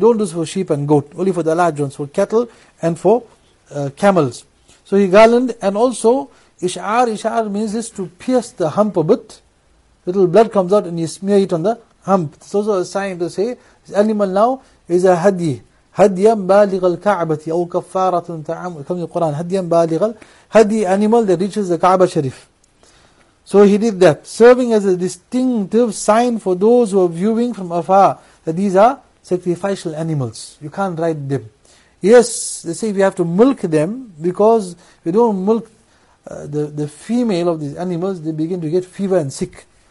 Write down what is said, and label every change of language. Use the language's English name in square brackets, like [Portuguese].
[English] You don't do this for sheep and goat, only for the large ones, for cattle and for camels. So he garlanded, and also ish'ar means this, to pierce the hump a bit. Little blood comes out and you smear it on the hump. It's also a sign to say, this animal now is a hadi. [Arabic] هَدْيًا بَالِغَ الْكَعْبَةِ أَوْ كَفَّارَةٌ تَعَمُ [English] comes in the Quran. [Arabic] هَدْيًا بَالِغَ هَدِي [English] animal that reaches the Kaaba Sharif. So he did that, serving as a distinctive sign for those who are viewing from afar that these are sacrificial animals. You can't ride them. Yes, they say we have to milk them, because if we don't milk the female of these animals, they begin to get fever and sick.